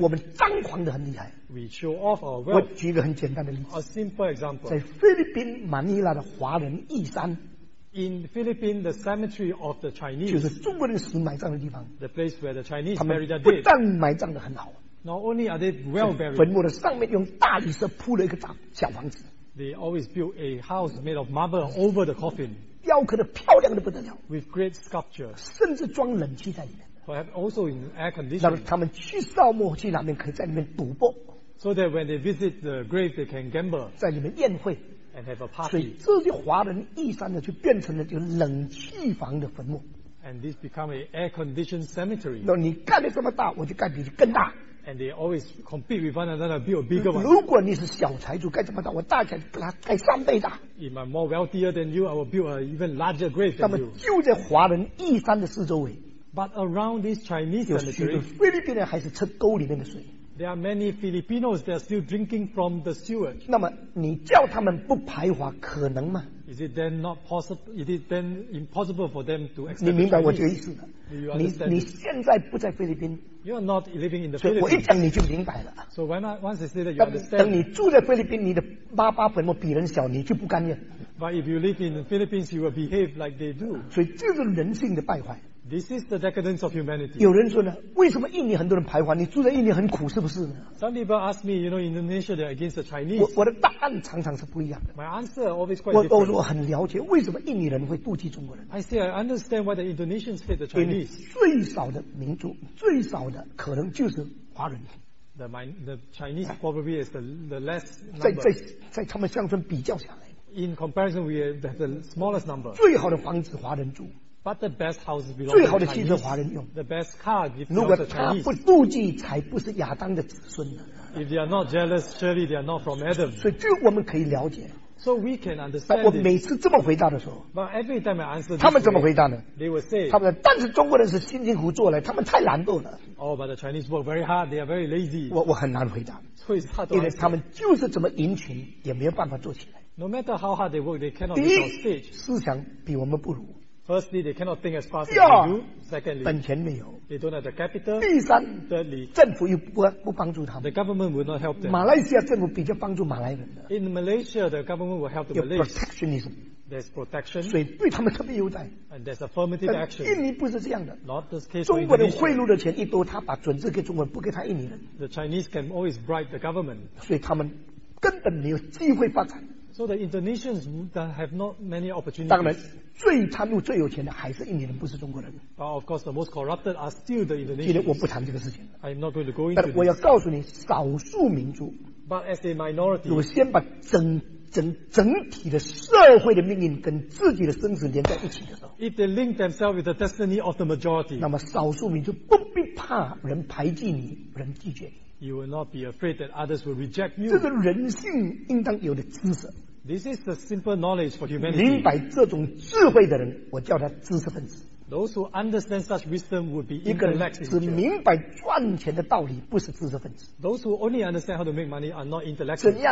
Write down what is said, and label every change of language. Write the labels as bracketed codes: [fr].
[zh] 我们张狂得很厉害。 [en] We show off our wealth. [zh] 我举一个很简单的例子。 [en] A simple example. [zh] 在菲律宾马尼拉的华人义山。 [en] In Philippines, the cemetery of the Chinese, [zh] 就是中国人死埋葬的地方。 [en] The place where the Chinese buried their dead. [zh] 他们不但埋葬得很好。 [en] Not only are they well buried. [zh] 坟墓的上面用大理石铺了一个大小房子。 [en] They always built a house made of marble over the coffin. [zh] 雕刻的漂亮的不得了。 [en] With great sculpture. [zh] 甚至装冷气在里面。 [en] Perhaps also in air conditioning. [zh] 那么他们去扫墓去哪边可以在里面赌博。 [en] So that when they visit the grave, they can gamble. [zh] 在里面宴会。 [en] And have a party. [zh] 所以这些华人义山的就变成了就冷气房的坟墓。 [en] And this become an air-conditioned cemetery. [zh] 那你盖的这么大，我就盖比你更大。 [en] And they always compete with one another, build a bigger one. [zh] 如果你是小财主，该怎么着？我大财主，给他盖三倍的。 [en] If I'm more wealthier than you, I will build an even larger grave than you. [zh] 那么就在华人义山的四周围。 [en] But around this Chinese cemetery, [zh] 有许多菲律宾人还是吃沟里面的水。 [en] There are many Filipinos that are still drinking from the sewer. [zh] 那么你叫他们不排华，可能吗？ [en] Is it then not possible? Is it then impossible for them to accept? [zh] 你明白我这个意思的。你现在不在菲律宾。 [en] You're not living in the Philippines. [zh] 所以我一讲你就明白了。 [en] So when once I say that, you understand. [zh] 等你住在菲律宾，你的爸爸坟墓比人小，你就不甘愿。 [en] But if you live in the Philippines, you will behave like they do. [zh] 所以这是人性的败坏。 [en] This is the decadence of humanity. [zh] 有人说呢，为什么印尼很多人排华？你住在印尼很苦，是不是呢？ [en] Some people ask me, you know, Indonesia they're against the Chinese. [zh] 我的答案常常是不一样的。 [en] My answer always quite different. [zh] 我很了解为什么印尼人会妒忌中国人。 [en] I say I understand why the Indonesians hate the Chinese. [zh] 最少的民族，最少的可能就是华人。 [en] The Chinese probably is the less number. [zh] 在他们乡村比较下来。 [en] In comparison, we have the smallest number. [zh] 最好的房子华人住。 [en] But the best house belongs to [zh] Chinese. 最好的汽车华人用。 [en] The best car belongs to Chinese. [zh] 如果他不妒忌，才不是亚当的子孙呢。 [en] If they are not jealous, surely they are not from Adam. [zh] 所以这我们可以了解。 [en] So we can understand. [zh] 但我每次这么回答的时候， [en] But every time I answer, [zh] 他们怎么回答呢？ [en] They will say. [zh] 他们说，但是中国人是辛辛苦苦做来，他们太懒惰了。 [en] Oh, but the Chinese work very hard. They are very lazy. [zh] 我很难回答。 [en] So it's hard to answer. [zh] 因为他们就是怎么赢群，也没有办法做起来。 [en] No matter how hard they work, they cannot be on stage. [zh] 思想比我们不如。 [en] Firstly, they cannot think as fast as you. Secondly, [zh] 本钱没有. [en] They don't have the capital. [zh] 第三, [en] Thirdly, [zh] 政府又不帮助他们. [en] The government will not help them. [zh] 马来西亚政府比较帮助马来人的。 [en] In Malaysia, the government will help the Malays. [zh] 有 protectionism. [en] There's protection. [zh] 所以对他们特别优待。 [en] And there's affirmative action. [zh] 印尼不是这样的。 [en] Not this case. [zh] 中国人贿赂的钱一多， 他把准字给中国人，不给他印尼人。 [en] The Chinese can always bribe the government. [zh] 所以他们根本没有机会发展。 [en] So the Indonesians have not many opportunities. [zh] 当然，最贪污、最有钱的还是印尼人，不是中国人。 [en] But of course, the most corrupted are still the Indonesians. [zh] 今天我不谈这个事情。 [en] I'm not going to go into. [zh] 但我要告诉你，少数民族。 [en] But as a minority, [zh] 我先把整体的社会的命运跟自己的生死连在一起的时候， [en] If they link themselves with the destiny of the majority, [zh] 那么少数民族不必怕人排挤你，人拒绝你。 [en] You will not be afraid that others will reject you. [zh] 这是人性应当有的知识。 [en] This is the simple knowledge for humanity. [zh] 明白这种智慧的人，我叫他知识分子。 [en] Those who understand such wisdom would be intellects. [zh] 一个人只明白赚钱的道理，不是知识分子。 [en] Those who only understand how to make money are not intellects.